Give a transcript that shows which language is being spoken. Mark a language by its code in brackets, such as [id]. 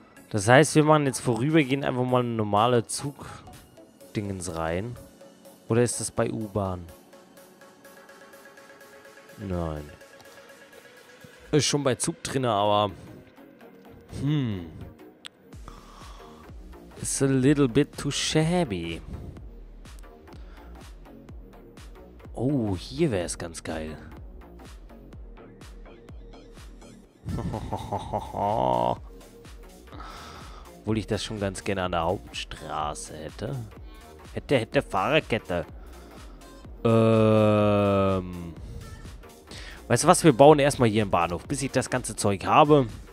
[de] Das heißt, wir machen jetzt vorübergehend einfach mal eine normale Zugdingens rein. Oder ist das bei U-Bahn? Nein. Ist schon bei Zug drin, aber... [en] It's a little bit too shabby. [de] Oh, hier wäre es ganz geil. Hohohoho. Obwohl ich das schon ganz gerne an der Hauptstraße hätte. Hätte Fahrerkette. Weißt du was, wir bauen erstmal hier im Bahnhof, bis ich das ganze Zeug habe.